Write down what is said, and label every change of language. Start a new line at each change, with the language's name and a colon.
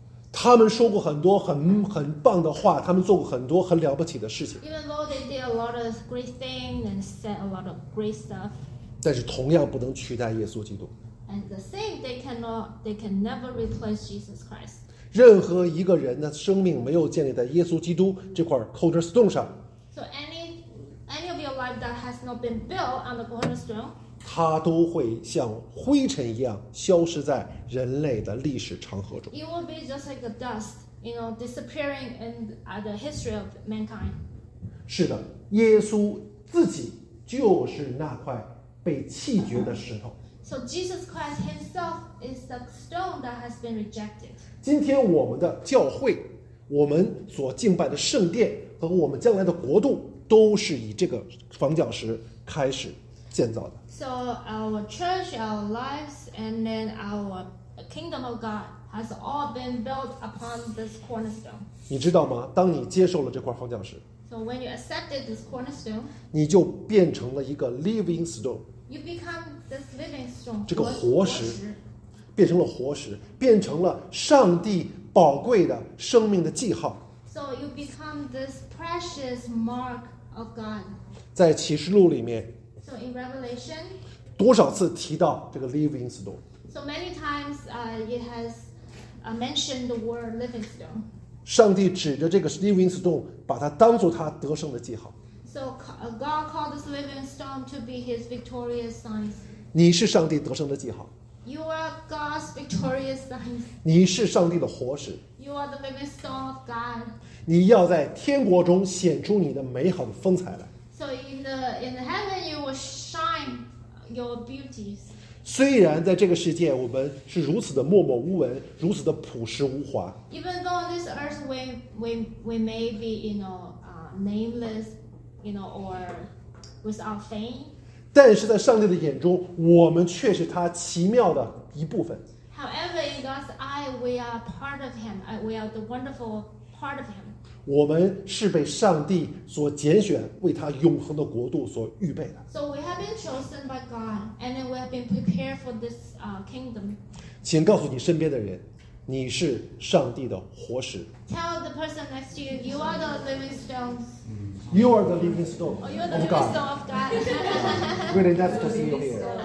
Chinese: 他们说过很多很棒的话，他们做过很多很了不起的事情。
English: Even though they did a lot of great things and said a lot of great stuff,
Chinese: 但是同样不能取代耶稣基督。
English: And the same, they can never replace Jesus Christ.
Chinese: 任何一个人的生命没有建立在耶稣基督这块 cornerstone 上。
English: So any of your life that has not been built on the cornerstone,
Chinese: 它都会像灰尘一样消失在人类的历史长河中。
English: It will be just like the dust, you know, disappearing in the history of mankind.
Chinese: 是的，耶稣自己就是那块被弃绝的石头。
English: So Jesus Christ himself is the stone that has been rejected.
Chinese: 今天我们的教会，我们所敬拜的圣殿和我们将来的国度都是以这个房角石开始建造的。
English: So our church, our lives, and then our kingdom of God has all been built upon this cornerstone.
Chinese: 你知道吗？当你接受了这块房角石
English: ，So when you accepted this cornerstone,
Chinese: 你就变成了一个 living stone.
English: You become this living stone.
Chinese: 这个活石变成了活石，变成了上帝宝贵的生命的记号。
English: So you become this precious mark of God.
Chinese: 在启示录里面
English: So in Revelation,
Chinese: 多少次提到这个 living stone?
English: So many times it has mentioned the word living stone.
Chinese: 上帝指着这个 living stone, 把它当作他得胜的记号。
English: So God called this living stone to be his victorious sign.
Chinese: 你是上帝得胜的记号。
English: You are God's victorious sign.
Chinese: 你是上帝的活石。
English: You are the living stone of God.
Chinese: 你要在天国中显出你的美好的风采来。
English: So in the heaven you will shine your beauties.
Chinese: 虽然在这个世界我们是如此的默默无闻，如此的朴实无华。
English: Even though on this earth we may be, you know, nameless, you know, or without fame.
Chinese: 但是在上帝的眼中，我们却是他奇妙的一部分。
English: However, in God's eye, we are part of Him. We are the wonderful part of Him.
Chinese: 我们是被上帝所拣选，为他永恒的国度所预备的。
English: So we have been chosen by God, and we have been prepared for this kingdom.
Chinese: 请告诉你身边的人，你是上帝的活石。
English: Tell the person next to you, you are the living stone. You are the living stone. Oh, you are the living stone of God. Really, that's to see you here.